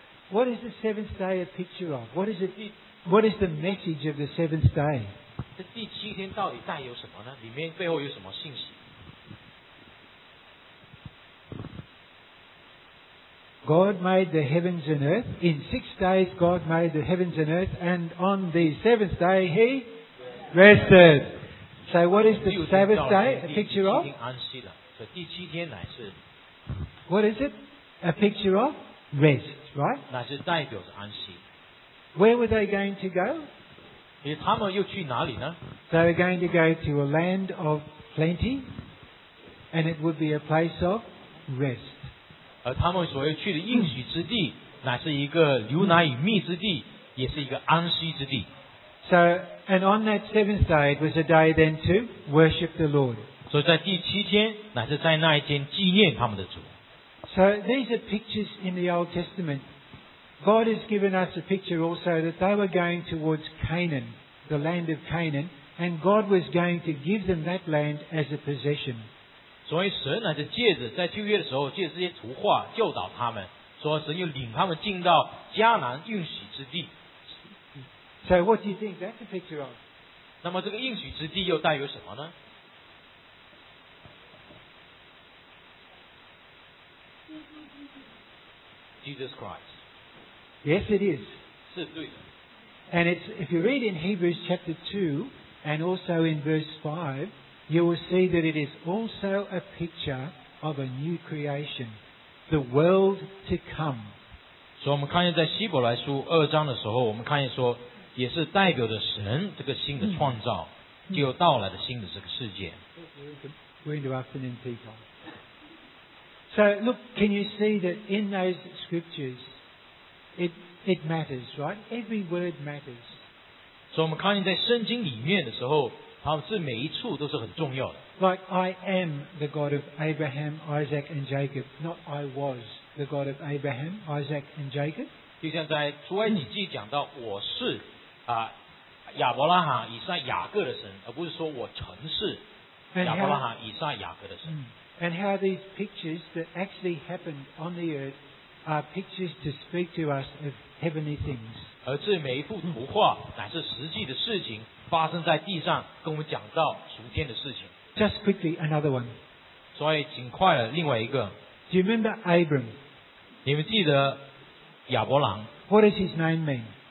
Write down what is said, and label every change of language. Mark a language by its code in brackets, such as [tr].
[en] What is the seventh day a picture of? What is the message of the seventh day? [zh] 这第七天到底带有什么呢？里面背后有什么信息？ [en] God made the heavens and earth. In 6 days, God made the heavens and earth. And on the seventh day, He rested. So what is the seventh day a picture of? [zh] 第七天乃是 [en] What is it? A picture of rest, right? [zh] 乃是代表着安息。 [en] Where were they going to go? [zh] 他们又去哪里呢？ [en] They were going to go to a land of plenty, and it would be a place of rest. [zh] 而他们所要去的应许之地，乃是一个牛奶与蜜之地，也是一个安息之地。 [en] So, and on that seventh day, it was a day then to worship the Lord. [zh] 所以在第七天乃是在那一天纪念他们的主。 [en] So these are pictures in the Old Testament. God has given us a picture also that they were going towards Canaan, the land of Canaan, and God was going to give them that land as a possession. [zh] 所以神乃是借着在旧约的时候借着这些图画教导他们，说神又领他们进到迦南应许之地。 [en] So what do you think that's a picture of? [zh] 那么这个应许之地又带有什么呢？ [en] Jesus Christ. Yes, it is. [zh] 是对的。 [en] And it's, if you read in Hebrews chapter 2 and also in verse 5, you will see that it is also a picture of a new creation, the world to come. [zh] 所以我们看见在希伯来书二章的时候，我们看见说也是代表着神这个新的创造，就有到来的新的这个世界。 [en] We're into afternoon tea time. So look, can you see that in those scriptures, it matters, right? Every word matters. [zh] 所以我们看见在圣经里面的时候，它是每一处都是很重要的。 [en] Like I am the God of Abraham, Isaac, and Jacob, not I was the God of Abraham, Isaac, and Jacob. [zh] 就像在出埃及记讲到我是啊亚伯拉罕、以撒、雅各的神，而不是说我曾是亚伯拉罕、以撒、雅各的神。 [en] And how these pictures that actually happened on the earth are pictures to speak to us of heavenly things. [zh] 而这每一幅图画乃是实际的事情发生在地上，跟我们讲到属天的事情。 [en] Just quickly, another one. [zh] 所以，尽快了另外一个。 [en] Do you remember Abram? [zh] 你们记得亚伯兰 [en] ？What does his name mean?